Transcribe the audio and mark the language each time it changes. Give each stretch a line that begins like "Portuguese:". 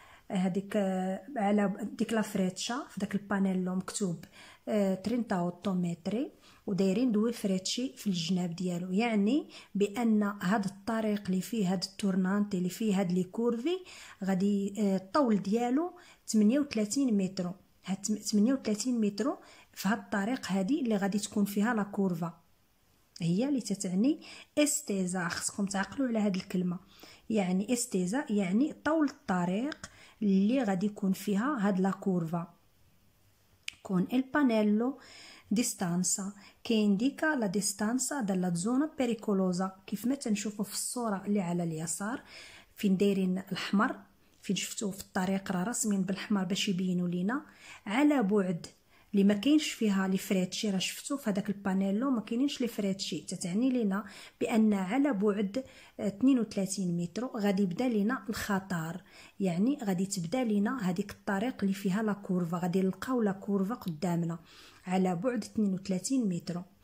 Arabic: هذيك على ديك لا فريتشا في داك البانيلو مكتوب 38 متر، ودايرين دوي فريتشي في الجناب ديالو، يعني بان هاد الطريق اللي فيه هاد التورنانتي اللي فيه هاد لي كورفي غادي الطول ديالو 38 متر، هاد 38 متر في هاد الطريق هادي اللي غادي تكون فيها لا كورفا، هي اللي تتعني استيزا، خصكم تعقلوا على هذه الكلمه، يعني استيزا يعني طول الطريق اللي غادي يكون فيها هاد لا كورفا، كون البانيلو
Italian: distanza, che indica la distanza dalla zona pericolosa.
Arabic: كيف ما تنشوفوا في الصورة اللي على اليسار، فين دايرين الأحمر، فين شفتوا في الطريق راه رسمين بالأحمر باش يبينوا لينا على بعد اللي ما كاينش فيها لي فريتشي. راه شفتوا في هذاك البانيلو ما كاينينش لي فريتشي، تتعني لنا بان على بعد 32 متر غادي يبدا لنا الخطر، يعني غادي تبدا لنا هذيك الطريق اللي فيها لا كورفا، غادي نلقاو لا كورفا قدامنا على بعد 32 متر.